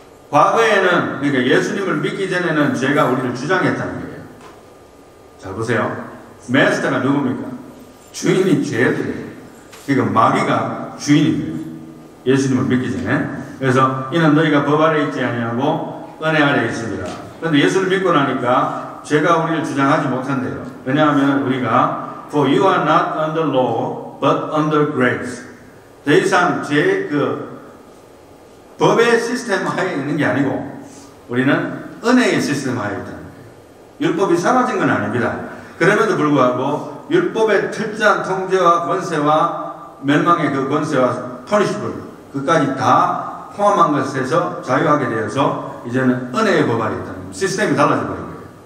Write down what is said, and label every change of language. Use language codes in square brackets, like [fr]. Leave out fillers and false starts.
[ko] 과거에는, 그러니까 예수님을 믿기 전에는 죄가 우리를 주장했다는 거예요. 잘 보세요. 메스터가 누굽니까? 주인이 죄들이에요. 그러니까 마귀가 주인이에요. 예수님을 믿기 전에. 그래서 이는 너희가 법 아래 있지 아니하고 은혜 아래 있습니다. 그런데 예수를 믿고 나니까 죄가 우리를 주장하지 못한대요. 왜냐하면 우리가 [en] For you are not under law but under grace. [ko] 더 이상 죄 그 법의 시스템 하에 있는 게 아니고 우리는 은혜의 시스템 하에 있다는 거예요. 율법이 사라진 건 아닙니다. 그럼에도 불구하고 율법의 철저한 통제와 권세와 멸망의 그 권세와 punishable 그까지 다 포함한 것에서 자유하게 되어서 이제는 은혜의 법 아래 있다는 거예요. 시스템이 달라져 버린 거예요.